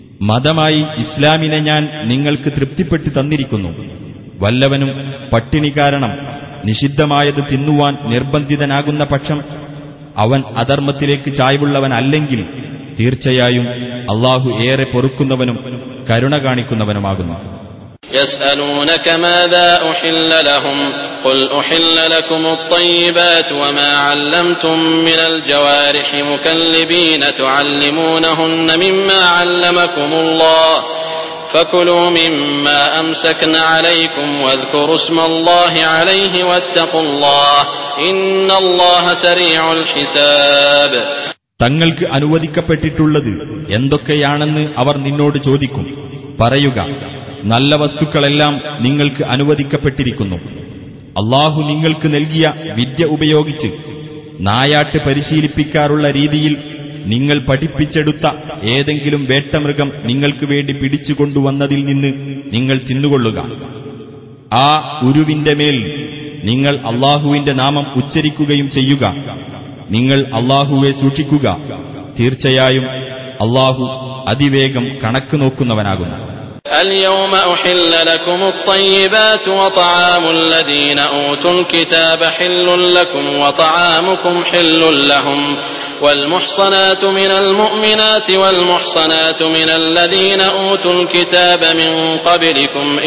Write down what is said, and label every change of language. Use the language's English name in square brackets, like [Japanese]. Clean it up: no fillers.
[Malayalam] മതമായി ഇസ്ലാമിനെ ഞാൻ നിങ്ങൾക്ക് തൃപ്തിപ്പെട്ടു തന്നിരിക്കുന്നു. വല്ലവനും പട്ടിണി കാരണം നിഷിദ്ധമായത് തിന്നുവാൻ നിർബന്ധിതനാകുന്ന പക്ഷം അവൻ അധർമ്മത്തിലേക്ക് ചായ്വുള്ളവനല്ലെങ്കിൽ തീർച്ചയായും അല്ലാഹു ഏറെ പൊറുക്കുന്നവനും കരുണ കാണിക്കുന്നവനുമാകുന്നു. [Arabic] يسألونك ماذا أحل لهم قل أحل لكم الطيبات وما علمتم من الجوارح مكلبين تعلمونهن مما علمكم الله فكلوا مما أمسكن عليكم واذكروا اسم الله عليه واتقوا الله إن الله سريع الحساب. [Malayalam] തങ്ങൾക്ക് അനുവദിക്കപ്പെട്ടിട്ടുള്ളത് എന്തൊക്കെയാണെന്ന് അവർ നിന്നോട് ചോദിക്കും. പറയുക, നല്ല വസ്തുക്കളെല്ലാം നിങ്ങൾക്ക് അനുവദിക്കപ്പെട്ടിരിക്കുന്നു. അല്ലാഹു നിങ്ങൾക്ക് നൽകിയ വിദ്യ ഉപയോഗിച്ച് നായാട്ട് പരിശീലിപ്പിക്കാറുള്ള രീതിയിൽ നിങ്ങൾ പഠിപ്പിച്ചെടുത്ത ഏതെങ്കിലും വേട്ടമൃഗം നിങ്ങൾക്ക് വേണ്ടി പിടിച്ചുകൊണ്ടുവന്നതിൽ നിന്ന് നിങ്ങൾ തിന്നുകൊള്ളുക. ആ ഉരുവിന്റെ മേൽ നിങ്ങൾ അല്ലാഹുവിന്റെ നാമം ഉച്ചരിക്കുകയും ചെയ്യുക. നിങ്ങൾ അല്ലാഹുവെ സൂക്ഷിക്കുക. തീർച്ചയായും അല്ലാഹു അതിവേഗം കണക്ക് നോക്കുന്നവനാകുന്നു. [Arabic] اليوم أحل لكم الطيبات وطعام الذين أوتوا الكتاب حل لكم وطعامكم حل لهم والمحصنات من المؤمنات والمحصنات من الذين أوتوا الكتاب من قبلكم